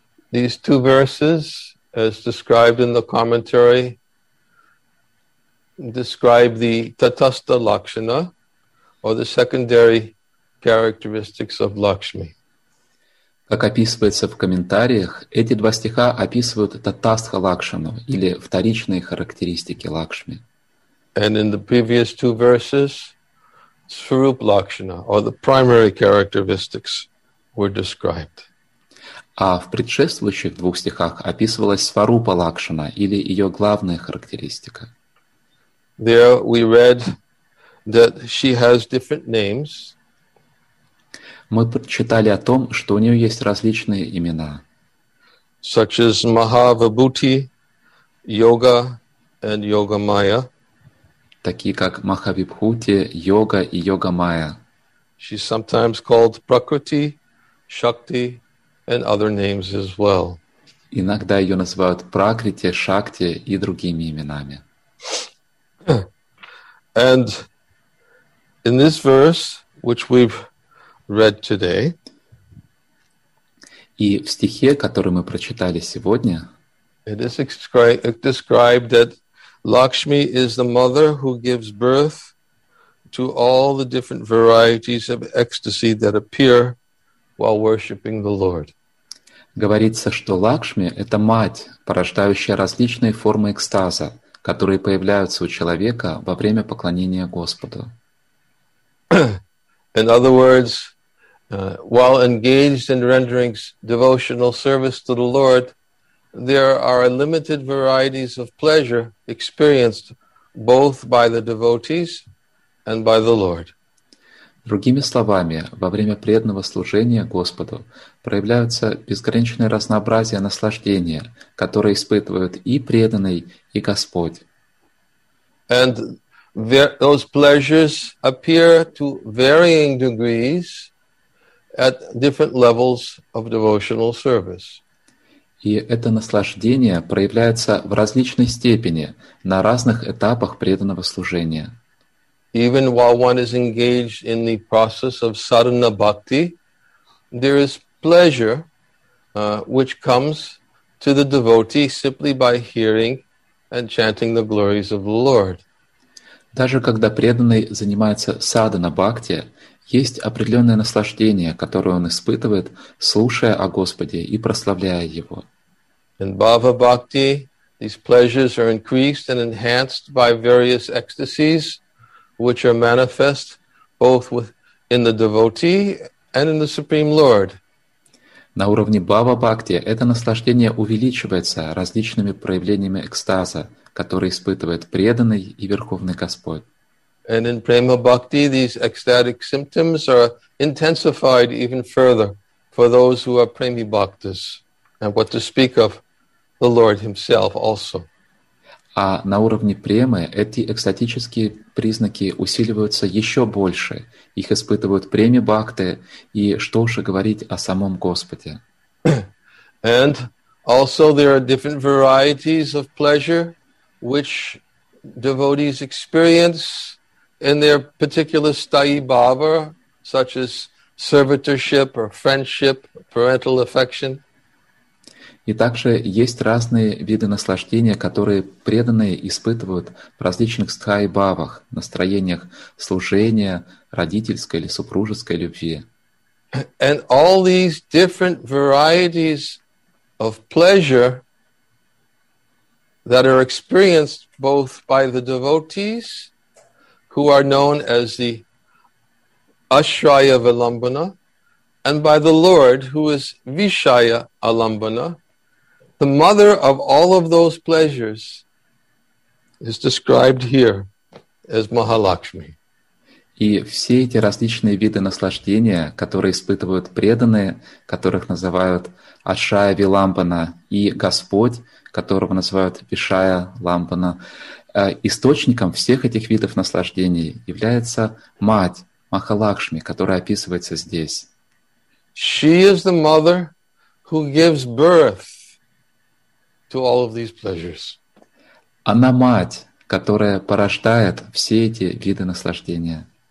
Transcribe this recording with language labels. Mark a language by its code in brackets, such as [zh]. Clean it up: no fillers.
[en] these two verses, as described in the commentary, describe the tatastha lakshana, or the secondary characteristics of Lakshmi. [ru] Как описывается в комментариях, эти два стиха описывают татастха лакшану, или вторичные характеристики Лакшми. [en] And in the previous two verses, Swarup Lakshana, or the primary characteristics, were described. [ru] А в предшествующих двух стихах описывалась Сварупа Лакшана, или ее главная характеристика. [en] There we read that she has different names. [ru] Мы прочитали о том, что у нее есть различные имена. [en] Such as Mahavibhuti, Yoga and Yoga Maya. [ru] Такие как Махавибхути, Йога и Йога Майя. [en] She's sometimes called Prakriti, Shakti, and other names as well. [ru] Иногда ее называют Пракрити, Шакти и другими именами. [en] And in this verse, which we've read today, [ru] и в стихе, который мы прочитали сегодня, [en] it is described that Lakshmi is the mother who gives birth to all the different varieties of ecstasy that appear while worshiping the Lord. [ru] Говорится, что Лакшми — это мать, порождающая различные формы экстаза, которые появляются у человека во время поклонения Господу. [en] In other words, while engaged in rendering devotional service to the Lord, there are limited varieties of pleasure experienced both by the devotees and by the Lord. [ru] Другими словами, во время преданного служения Господу проявляются безграничные разнообразия наслаждения, которые испытывают и преданный, и Господь. [en] And those pleasures appear to varying degrees at different levels of devotional service. [ru] И это наслаждение проявляется в различной степени на разных этапах преданного служения. [en] Even while one is engaged in the process of sadhana bhakti, there is pleasure, which comes to the devotee simply by hearing and chanting the glories of the Lord. [ru] Даже когда преданный занимается sadhana bhakti, есть определенное наслаждение, которое он испытывает, слушая о Господе и прославляя Его. [en] In bhava bhakti, these pleasures are increased and enhanced by various ecstasies, which are manifest both in the devotee and in the Supreme Lord. [ru] На уровне бхава бхакти это наслаждение увеличивается различными проявлениями экстаза, которые испытывает преданный и Верховный Господь. [en] And in prema bhakti, these ecstatic symptoms are intensified even further for those who are premi bhaktas, and what to speak of the Lord Himself also. [ru] А на уровне премы эти экстатические признаки усиливаются еще больше. Их испытывают преми бхакты, и что уже говорить о самом Господе. [en] And also there are different varieties of pleasure which devotees experience in their particular sthayi bhava, such as servitorship or friendship, parental affection. [ru] И также есть разные виды наслаждения, которые преданные испытывают в различных стхай бхавах, настроениях служения, родительской или супружеской любви. [en] And all these different varieties of pleasure that are experienced both by the devotees, who are known as the Ashraya Vilambana, and by the Lord, who is Vishaya Alambana, the mother of all of those pleasures is described here as Mahalakshmi. [ru] И все эти различные виды наслаждения, которые испытывают преданные, которых называют Ашая Виламбана и Господь, которого называют Вишая Ламбана, источником всех этих видов наслаждений является мать Махалакшми, которая описывается здесь. [en] She is the mother who gives birth to all of these pleasures. [ru] Она мать, которая порождает все эти виды наслаждения.